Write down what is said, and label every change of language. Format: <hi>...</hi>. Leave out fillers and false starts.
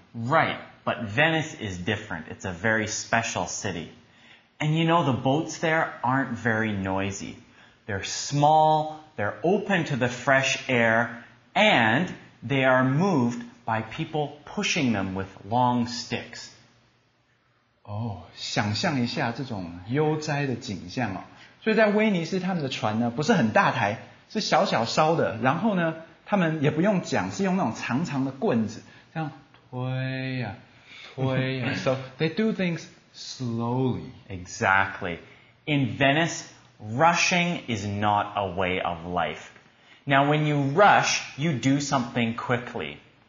<en>Right, but Venice is different. It's a very special city. And you know, the boats there aren't very noisy. They're small, they're open to the fresh air, and they are moved by people pushing them with long sticks.</en> <zh>想象一下这种悠哉的景象哦。所以在威尼斯他们的船呢不是很大台，是小小艘的，然后呢他们也不用桨，是用那种长长的棍子这样推呀推呀。</zh> <en>So they do things slowly. Exactly. In Venice, rushing is not a way of life. Now when you rush, you do something quickly.</en>